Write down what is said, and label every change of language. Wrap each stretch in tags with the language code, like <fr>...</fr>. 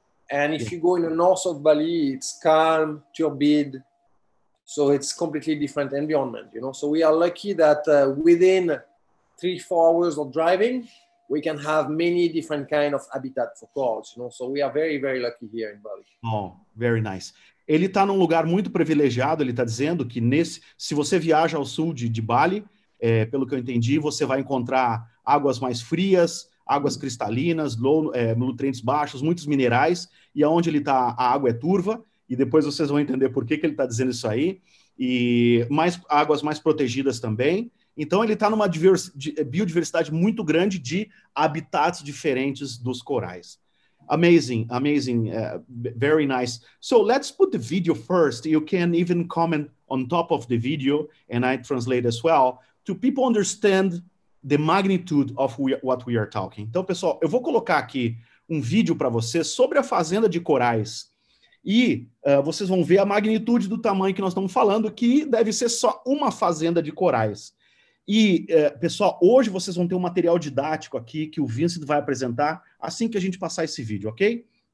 <en>And if you go in the north of Bali, it's calm, turbid. So it's completely different environment, you know. So we are lucky that within 3-4 hours of driving, we can have many different kind of habitat for corals, you know. So we are very, very lucky here in Bali. Oh, very nice.</en> <pt>Ele está num lugar muito privilegiado, ele está dizendo que se você viaja ao sul de Bali, pelo que eu entendi, você vai encontrar águas mais frias, águas cristalinas, nutrientes baixos, muitos minerais, e aonde ele está, a água é turva, e depois vocês vão entender por que ele está dizendo isso aí, e mais águas mais protegidas também. Então ele está numa biodiversidade muito grande de habitats diferentes dos corais.</pt> <en>Amazing, amazing, very nice. So let's put the video first. You can even comment on top of the video, and I translate as well, to people understand the magnitude of what we are talking.</en> <pt>Então, pessoal, eu vou colocar aqui um vídeo para vocês sobre a fazenda de corais, e vocês vão ver a magnitude do tamanho que nós estamos falando, que deve ser só uma fazenda de corais. E, pessoal, hoje vocês vão ter um material didático aqui que o Vincent vai apresentar assim que a gente passar esse vídeo, ok?</pt>